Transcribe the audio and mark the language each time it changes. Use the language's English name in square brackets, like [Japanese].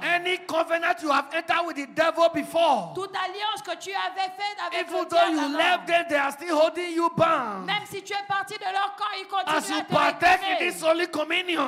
[English] Any covenant you have entered with the devil before. [French] Toute alliance que tu avais faite avec [English] even [French] le diable. [English] Even though you left them, they are still holding you bound. [French] Même si tu es parti de leur camp, ils continuent à te retenir. [English] As you partake in this holy communion.